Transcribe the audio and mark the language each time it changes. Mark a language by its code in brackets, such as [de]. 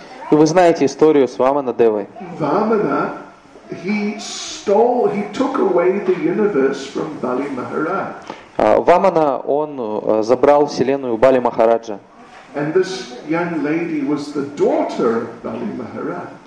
[ru] И вы знаете историю с Вамана Девой. [en] Vamana, he took away the universe from Bali Maharaj. [ru] Вамана, он забрал вселенную у Бали Махараджа. [en] And this young lady was the daughter of Bali Maharaj.